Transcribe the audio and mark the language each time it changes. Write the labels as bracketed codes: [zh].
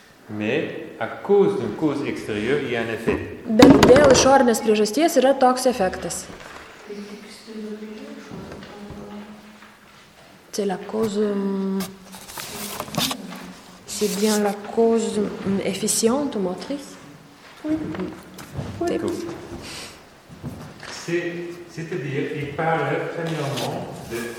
[fr] Mais à cause d'une cause extérieure, il y a un effet. [lt] Bet dėl išorinės priežasties yra toks efektas. [fr] C'est la cause, c'est bien la cause efficiente motrice. Oui. C'est-à-dire, il parle premièrement de.